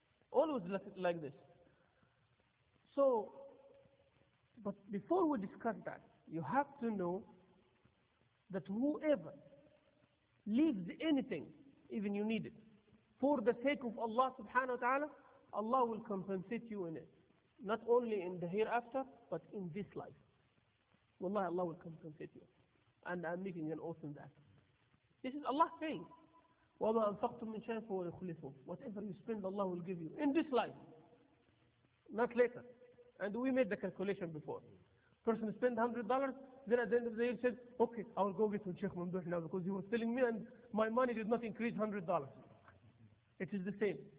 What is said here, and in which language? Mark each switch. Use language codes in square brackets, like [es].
[en] Always like this. So, but before we discuss that, you have to know that whoever leaves anything, even you need it, for the sake of Allah subhanahu wa ta'ala, Allah will compensate you in it. Not only in the hereafter, but in this life. Wallahi, Allah will compensate you. And I'm making an oath in that. This is Allah saying, [ar] وَمَا أَنْفَقْتُمْ مِنْ شَيْءٍ فَهُوَ يُخْلِفُهُ. [en] Whatever you spend, Allah will give you. In this life. Not later. And we made the calculation before. Person spend $100, then at the end of the year said, okay, I'll go get from Sheikh Mamdouh now because he was telling me and my money did not increase $100. It is the same.